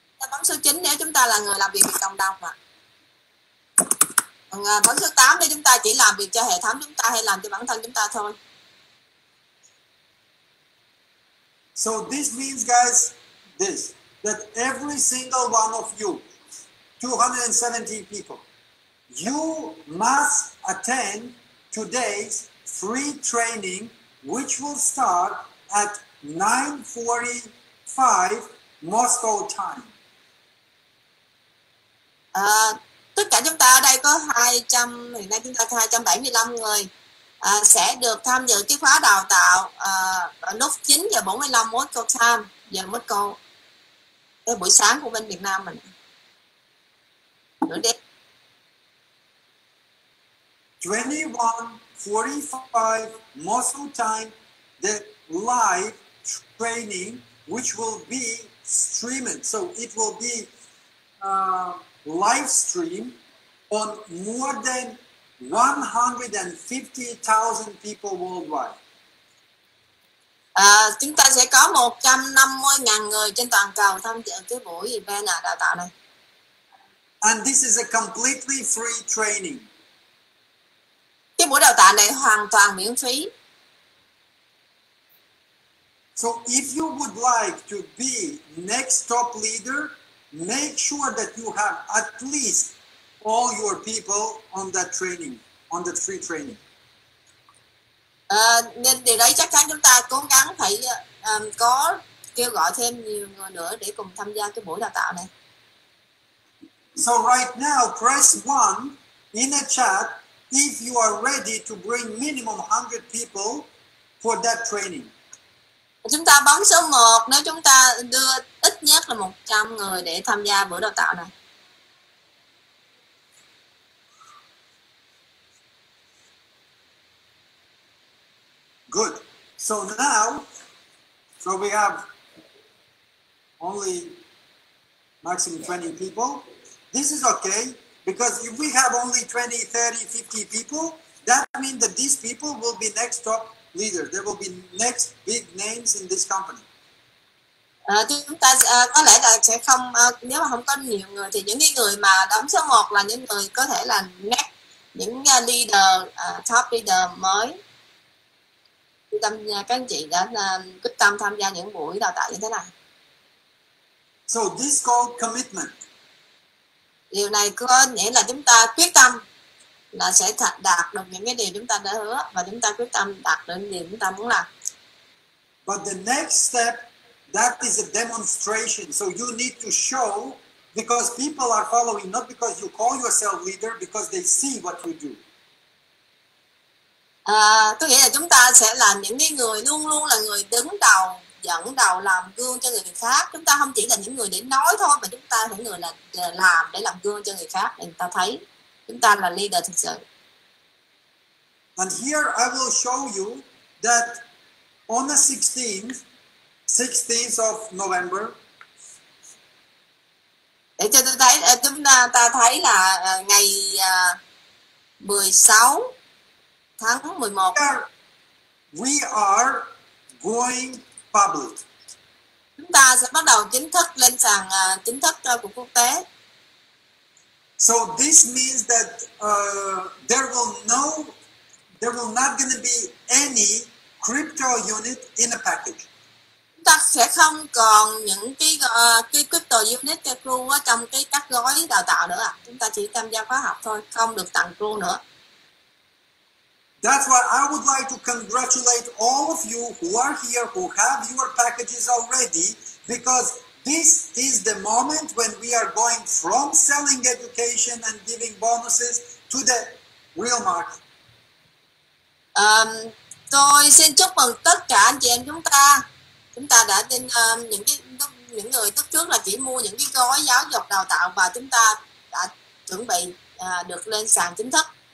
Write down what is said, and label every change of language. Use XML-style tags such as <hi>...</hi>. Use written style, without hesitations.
<vi>Bấm số 9 nếu chúng ta là người làm việc vì cộng đồng ạ. Còn bấm số 8 nếu chúng ta chỉ làm việc cho hệ thống chúng ta hay làm cho bản thân chúng ta thôi.</vi> <en>So this means guys, this, that every single one of you, 217 people, you must attend today's free training, which will start at 9:45 Moscow time.</en> <vi>Tất cả chúng ta ở đây có 200, hiện nay chúng ta 275 người. Sẽ được tham dự cái khóa đào tạo lúc 9:45</vi> <en>Moscow time,</en> <vi>giờ Moscow, cái buổi sáng của bên Việt Nam mình. Đi.</vi> <en>21:45 Moscow time, the live training which will be streamed, so it will be live stream on more than 150,000 people worldwide.</en> <vi>Chúng ta sẽ có 150,000 người trên toàn cầu tham dự cái buổi event đào tạo này.</vi> <en>And this is a completely free training.</en> <vi>Cái buổi đào tạo này hoàn toàn miễn phí.</vi> <en>So if you would like to be next top leader, make sure that you have at least all your people on that training, on the free training.</en> <vi>Nên điều đấy chắc chắn chúng ta cố gắng phải có kêu gọi thêm nhiều người nữa để cùng tham gia cái buổi đào tạo này.</vi> <en>So right now, press 1 in a chat if you are ready to bring minimum 100 people for that training.</en> <vi>Chúng ta bấm số 1 nếu chúng ta đưa ít nhất là 100 người để tham gia buổi đào tạo này.</vi> <en>Good. So now, so we have only maximum 20 people. This is okay, because if we have only 20, 30, 50 people, that means that these people will be next top leaders. There will be next big names in this company.</en> <vi>Chúng ta có lẽ là sẽ không, nếu mà không có nhiều người, thì những người mà đóng số 1 là những người có thể là next, những leader,</vi> <en>top leader</en> <vi>mới. Các anh chị đã quyết tâm tham gia những buổi đào tạo như thế này.</vi> <en>So this called commitment.</en> <vi>Điều này có nghĩa là chúng ta quyết tâm là sẽ đạt được những cái điều chúng ta đã hứa và chúng ta quyết tâm đạt được những điều chúng ta muốn làm.</vi> <en>But the next step, that is a demonstration. So you need to show, because people are following, not because you call yourself leader, because they see what you do.</en> <vi>Có nghĩa là chúng ta sẽ là những cái người luôn luôn là người đứng đầu, dẫn đầu làm gương cho người khác. Chúng ta không chỉ là những người để nói thôi, mà chúng ta là những người là làm để làm gương cho người khác, để người ta thấy chúng ta là leader thực sự.</vi> <en>And here I will show you that on the 16th of November.</en> <vi>Để cho tôi thấy, chúng ta thấy là ngày 16 tháng 11.</vi> <en>We are going public.</en> <vi>Chúng ta sẽ bắt đầu chính thức lên sàn chính thức của quốc tế.</vi> <en>So this means that there will not going to be any crypto unit in a package.</en> <vi>Chúng ta sẽ không còn những cái crypto unit cho crew trong cái các gói đào tạo nữa. Chúng ta chỉ tham gia khóa học thôi, không được tặng crew nữa.</vi> <en>That's why I would like to congratulate all of you who are here, who have your packages already, because this is the moment when we are going from selling education and giving bonuses to the real market.</en> <vi>Tôi xin chúc mừng tất cả anh chị em chúng ta. Chúng ta đã đến những người lúc trước là chỉ mua những cái gói giáo dục đào tạo và chúng ta đã chuẩn bị được lên sàn chính thức.</vi>